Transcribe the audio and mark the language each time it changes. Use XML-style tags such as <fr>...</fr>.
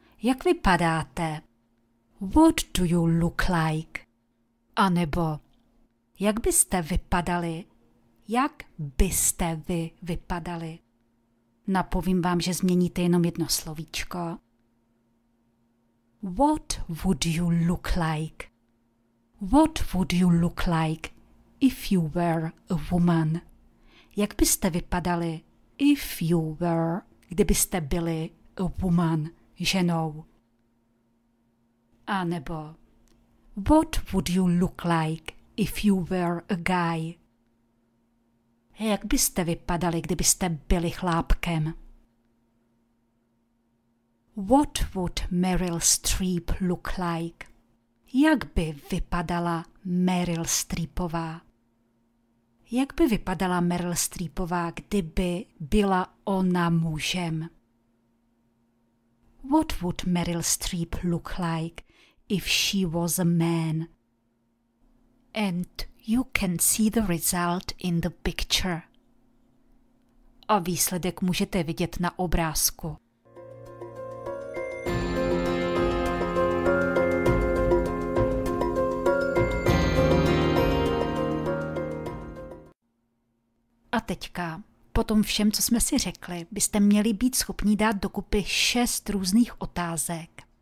<cs>Jak vypadáte?</cs> <en>What do you look like?</en> <cs>A nebo jak byste vypadali? Jak byste vy vypadali? Napovím vám, že změníte jenom jedno slovíčko.</cs> <en>What would you look like? What would you look like if you were a woman?</en> <cs>Jak byste vypadali,</cs> <en>if you were,</en> <cs>kdybyste byli</cs> <en>a woman,</en> <cs>ženou?</cs> <en>A nebo, what would you look like, if you were a guy?</en> <cs>Jak byste vypadali, kdybyste byli chlápkem?</cs> <en>What would Meryl Streep look like?</en> <cs>Jak by vypadala Meryl Streepová? Jak by vypadala Meryl Streepová, kdyby byla ona mužem?</cs> <en>What would Meryl Streep look like if she was a man. And you can see the result in the picture.</en> <cs>A výsledek můžete vidět na obrázku. A teďka, po tom všem, co jsme si řekli, byste měli být schopni dát dokupy 6 různých otázek.</cs>